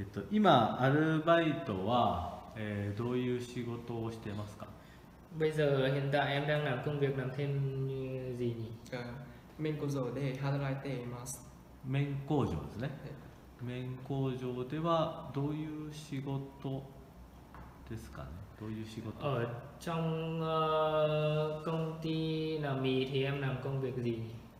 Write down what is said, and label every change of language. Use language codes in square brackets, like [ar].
[ja] 今アルバイトは、どういう仕事をしていますか？ [vi] Bây giờ hiện tại em đang làm công việc làm thêm gì nhỉ? [ja] 麺工場で働いています。麺工場ですね。麺工場ではどういう仕事ですかね？どういう仕事？ [vi] trong công ty làm mì thì em làm công việc gì nhỉ?